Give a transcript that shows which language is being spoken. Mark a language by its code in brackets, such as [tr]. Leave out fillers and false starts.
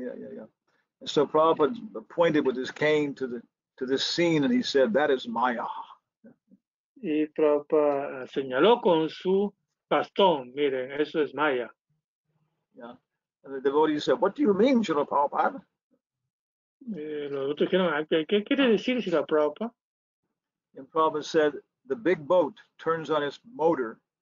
[en] Yeah. So Prabhupada pointed with his cane to this scene and he said, "That is Maya." [es] Y Prabhupada señaló con su bastón, miren, eso es Maya. [en] Yeah. And the devotee said, "What do you mean, Srila Prabhupada?" [es] Los otros dijeron, ¿qué quiere decir Srila Prabhupada? [en] And Prabhupada said, "The big boat turns on its motor."